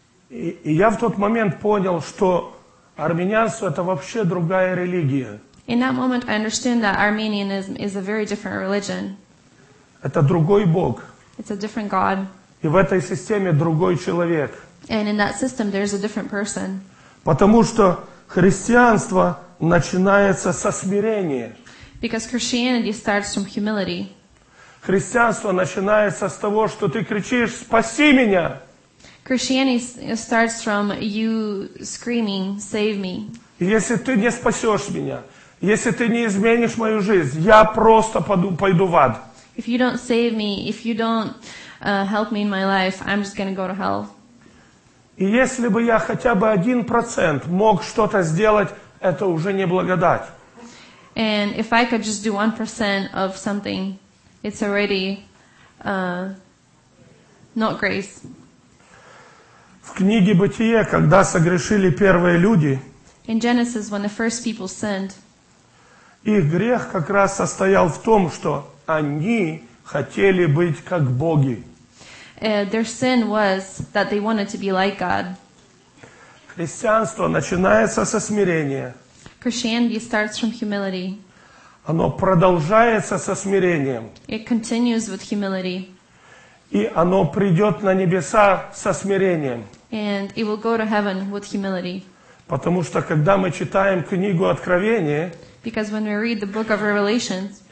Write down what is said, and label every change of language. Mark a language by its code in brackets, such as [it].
[ru] И я в тот момент понял, что армянство — это вообще другая религия. [en] In that moment, I understand that Armenianism is a very different religion. [ru] Это другой Бог. [en] It's a different God. [ru] И в этой системе другой человек. [en] And in that system, there's a different person. [ru] Потому что христианство начинается со смирения. [en] Because Christianity starts from humility. [ru] Христианство начинается с того, что ты кричишь: «Спаси меня!» [en] Christianity starts from you screaming, save me. [ru] Если ты не спасешь меня, если ты не изменишь мою жизнь, я просто пойду в ад. [en] If you don't save me, if you don't help me in my life, I'm just going to go to hell. [ru] И если бы я хотя бы 1% мог что-то сделать, это уже не благодать. [en] And if I could just do 1% of something, it's already not grace. [ru] В книге Бытие, когда согрешили первые люди, [en] in Genesis, when the first people sinned, [ru] их грех как раз состоял в том, что они хотели быть как боги. [en] Their sin was that they wanted to be like God. [ru] Христианство начинается со смирения. [en] Christianity starts from humility. [ru] Оно продолжается со смирением. [en] It continues with humility. [ru] И оно придет на небеса со смирением. [en] And it will go to heaven with humility. [ru] Потому что когда мы читаем книгу Откровения, [en] because when we read the book of Revelation,